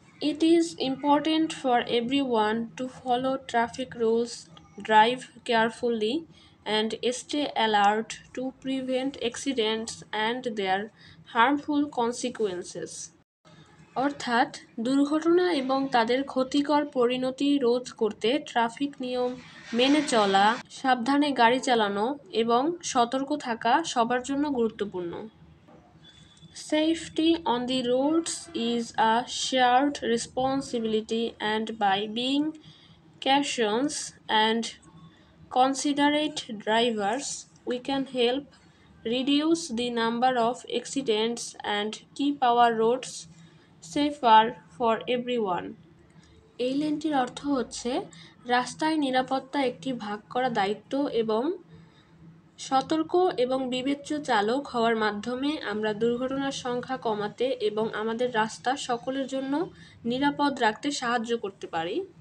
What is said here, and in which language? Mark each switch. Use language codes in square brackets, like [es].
[en] it is important for everyone to follow traffic rules, drive carefully and stay alert to prevent accidents and their harmful consequences, [bn] অর্থাৎ দুর্ঘটনা এবং তাদের ক্ষতিকর পরিণতি রোধ করতে ট্রাফিক নিয়ম মেনে চলা, সাবধানে গাড়ি চালানো এবং সতর্ক থাকা সবার জন্য গুরুত্বপূর্ণ। [en] Safety on the roads is a shared responsibility and by being cautious and considerate drivers, we can help reduce the number of accidents and keep our roads safer for everyone. [bn] এই লেনটির অর্থ হচ্ছে রাস্তায় নিরাপত্তা একটি ভাগ করা দায়িত্ব এবং সতর্ক এবং বিবেচ্য চালক হওয়ার মাধ্যমে আমরা দুর্ঘটনার সংখ্যা কমাতে এবং আমাদের রাস্তা সকলের জন্য নিরাপদ রাখতে সাহায্য করতে পারি।